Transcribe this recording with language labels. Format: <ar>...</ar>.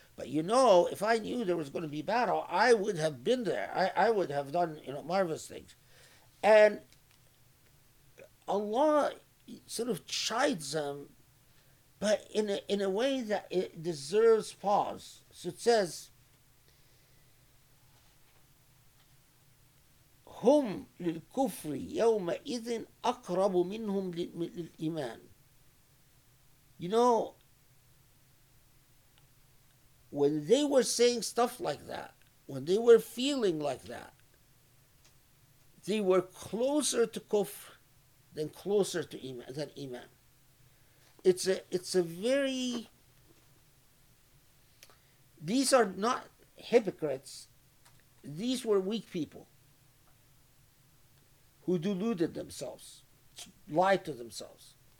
<en>But, you know, if I knew there was going to be battle, I would have been there. I would have done, you know, marvelous things. And Allah sort of chides them, but in a way that it deserves pause. So it says,</en> <ar>هم للكفر يومئذ أقرب منهم للإيمان.</ar> <en>You know, when they were saying stuff like that, when they were feeling like that, they were closer to kufr than closer to iman, than iman. It's a very, these are not hypocrites, these were weak people who deluded themselves, lied to themselves.</en>